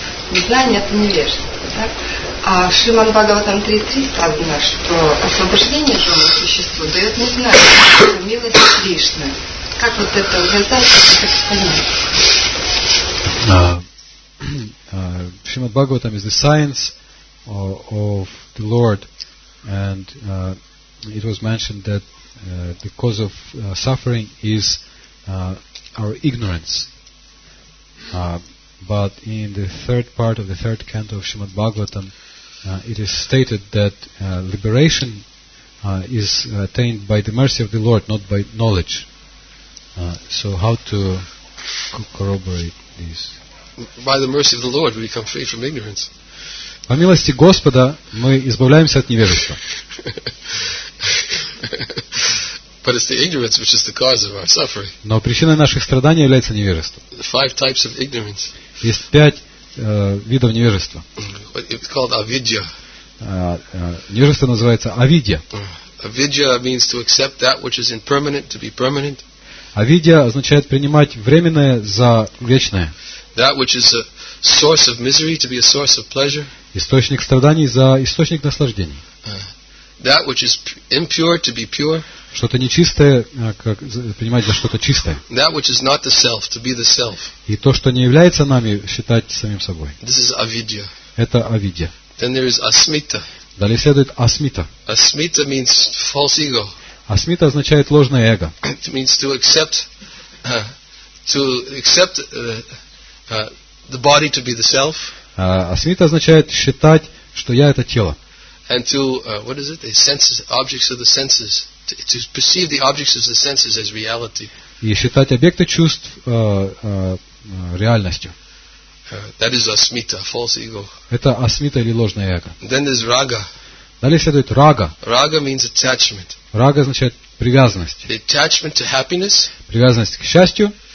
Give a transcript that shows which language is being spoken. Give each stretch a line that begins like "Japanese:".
Russian: Незнание – это невежество. Да? А в Шриман Бхагаватам 3.3 сказано, что освобождение живого существа дает незнание, милость Кришны. Как вот это увязать, как это понять?
English: В Шриман Бхагаватам is the science of the Lord, and it was mentioned that the cause of suffering is our ignorance. But in the third part of the third canto of Srimad Bhagavatam, it is stated that liberation is attained by the mercy of the Lord, not by knowledge. So how to corroborate this? By the mercy of the Lord, we become free from ignorance.
Russian: По милости Господа, мы избавляемся от невежества.
English: But it's the ignorance which is the cause of our suffering.
Russian: Но причиной наших страданий является невежество.
English: Five types of ignorance.
Russian: Есть пять видов невежества.
English: It's called avidya.
Russian: Невежество называется авидья.
English: Avidya means to accept that which is impermanent to be permanent.
Russian: Авидья означает принимать временное за вечное.
English: That which is a source of misery to be a source of pleasure.
Russian: Источник страданий за источник наслаждений.
English: That which is impure to be pure.
Russian: Что-то нечистое, как принимать за что-то чистое.
English: That which is not the self, to be the self.
Russian: И то, что не является нами, считать самим собой.
English: This is avidya.
Russian: Это авидья.
English: Then there is asmita.
Russian: Далее следует асмита.
English: Asmita means false ego.
Russian: Асмита означает ложное эго.
English: It means to accept the body to be the self.
Russian: Асмита означает считать, что я это тело.
English: And to what is it? The senses, objects of the senses. To perceive the objects of the senses as reality.
Russian: И считать объекты чувств реальностью.
English: That is asmita, false ego.
Russian: Это асмита или ложное эго.
English: Then there's raga.
Russian: Далее следует рага.
English: Raga means attachment.
Russian: Рага означает привязанность.
English: The attachment to happiness.
Russian: Привязанность к счастью.